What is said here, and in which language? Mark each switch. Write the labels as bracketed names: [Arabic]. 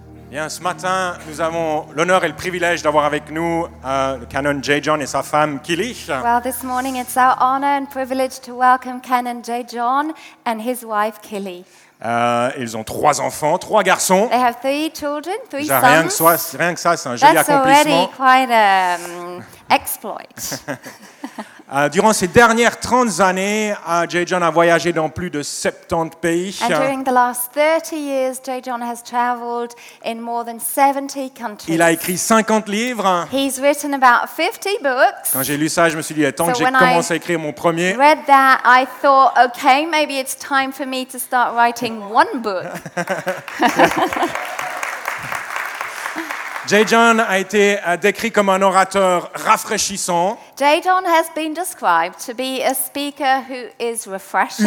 [French] Bien, ce matin, nous avons l'honneur et le privilège d'avoir avec nous le canon Jay John et sa femme Kili. [English] Well, this morning it's our honor and privilege to welcome canon Jay John and his wife Kili. [French] Ils ont trois enfants, trois garçons. [English] They have three children, three sons. [French] Rien que ça, c'est un joli accomplissement. [English] That's already quite an exploit. [French] Durant ces dernières 30 années, Jay John a voyagé dans plus de 70 pays. [English] And during the last 30 years, Jay John has traveled in more than 70 countries. [French] Il a écrit 50 livres. [English] He's written about 50 books. [French] Quand j'ai lu ça, je me suis dit, attends, [English] so [French] j'ai commencé à écrire mon premier. [English] When I read that, I thought, okay, maybe it's time for me to start writing one book. [French] Jay John a été décrit comme un orateur rafraîchissant. [English] Jay John has been described to be a speaker who is refreshing.